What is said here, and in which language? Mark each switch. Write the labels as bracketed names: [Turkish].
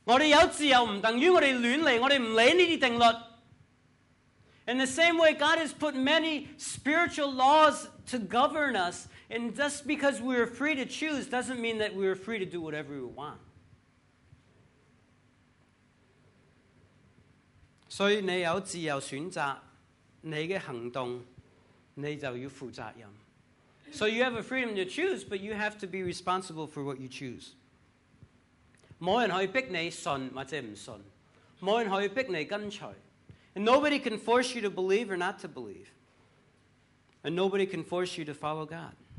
[Cantonese] 我哋同樣嘅神有好多嘅定律，神有好多嘅命令俾我哋嘅。我哋有自由，唔等於我哋亂嚟，我哋唔理呢啲定律。 [English] In the same way, God has put many spiritual laws to govern us, and just because we are free to choose doesn't mean that we are free to do whatever we want. [Cantonese] 所以你有自由選擇你嘅行動，你就要負責任。 [English] So you have a freedom to choose, but you have to be responsible for what you choose. [Cantonese] 冇人可以逼你信或者唔信，冇人可以逼你跟随， [English] and nobody can force you to believe or not to believe, and nobody can force you to follow God.